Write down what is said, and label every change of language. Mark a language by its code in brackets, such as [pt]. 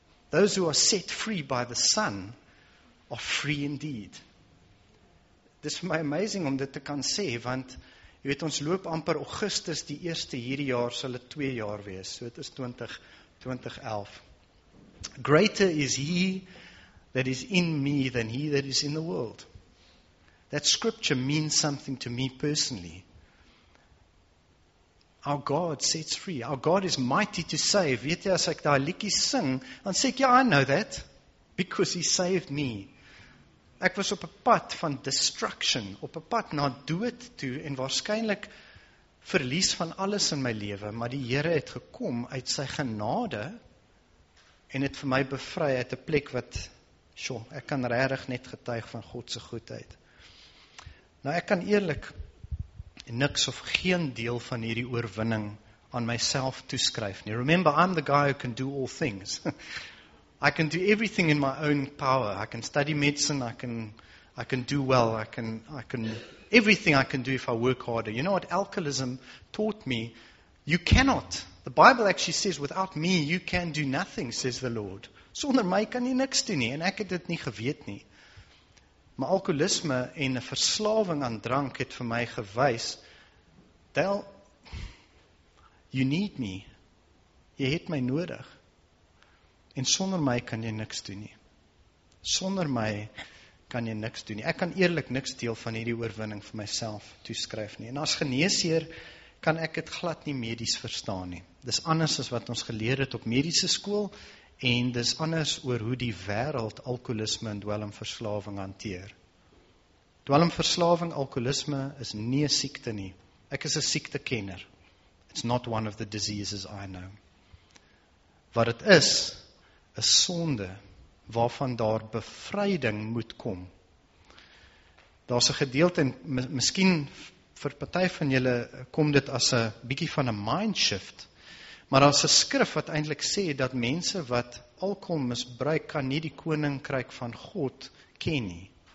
[en] Those who are set free by the son are free indeed. [af] Dit is vir my amazing om dit te kan sê, want jy weet ons loop amper Augustus die eerste hierdie jaar, sal het 2 jaar wees, so het is 2011. [en] Greater is he that is in me than he that is in the world. That scripture means something to me personally. Our God sets free. Our God is mighty to save. [af] Weet jy, as ek daar liekie sing, dan sê ek, ja, [en] I know that, because he saved me. [af] Ek was op 'n pad van destruction, op 'n pad na dood toe en waarskynlik verlies van alles in my lewe, maar die Here het gekom uit sy genade en het vir my bevry uit 'n plek wat, sjoe, ek kan regtig net getuig van God se goedheid. Nou ek kan eerlik niks of geen deel van hierdie oorwinning aan myself toeskryf nie. [en] Remember, I'm the guy who can do all things. I can do everything in my own power. I can study medicine, I can do well, I can everything I can do if I work harder. You know what alcoholism taught me? You cannot. The Bible actually says, without me you can do nothing, says the Lord. [af] Sonder my kan jy niks doen nie, en ek het dit nie geweet nie. Maar alkoholisme en 'n verslawing aan drank het vir my gewys, Del, [en] you need me. [af] Jy het my nodig. En sonder my kan jy niks doen nie. Sonder my kan jy niks doen nie. Ek kan eerlik niks deel van hierdie oorwinning vir myself toeskryf nie. En as geneesheer kan ek dit glad nie medies verstaan nie. Dis anders as wat ons geleer het op mediese skool, en dis anders oor hoe die wêreld alkoholisme en dwelmverslawing hanteer. Dwelmverslawing, alkoholisme is nie 'n siekte nie. Ek is 'n siektekenner. [en] It's not one of the diseases I know. [af] Wat het is, 'n sonde waarvan daar bevryding moet kom. Daar's 'n gedeelte, en miskien vir party van julle kom dit as 'n bietjie van 'n mindshift, maar daar's 'n skrif wat eintlik sê dat mense wat alkohol misbruik kan nie die koninkryk van God ken nie.